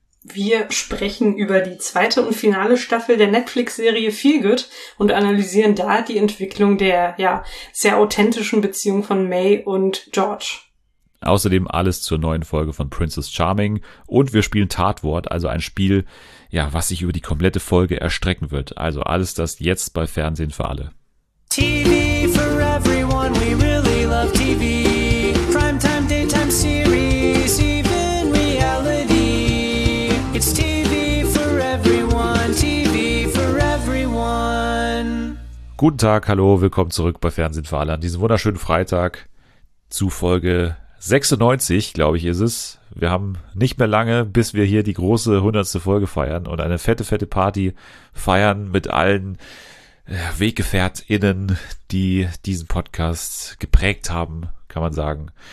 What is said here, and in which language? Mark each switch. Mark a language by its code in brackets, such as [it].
[de] Wir sprechen über die zweite und finale Staffel der Netflix-Serie Feel Good und analysieren da die Entwicklung der ja sehr authentischen Beziehung von May und George. Außerdem alles zur neuen Folge von Princess Charming und wir spielen Tatwort, also ein Spiel, ja, was sich über die komplette Folge erstrecken wird. Also alles das jetzt bei Fernsehen für alle. [en] TV for everyone, we really love TV. Primetime, daytime series, even reality. It's TV for everyone, TV for everyone. [de] Guten Tag, hallo, willkommen zurück bei Fernsehen für alle an diesem wunderschönen Freitag zu Folge 96, glaube ich, ist es. Wir haben nicht mehr lange, bis wir hier die große 100. Folge feiern und eine fette, fette Party feiern mit allen WeggefährtInnen, die diesen Podcast geprägt haben, kann man sagen.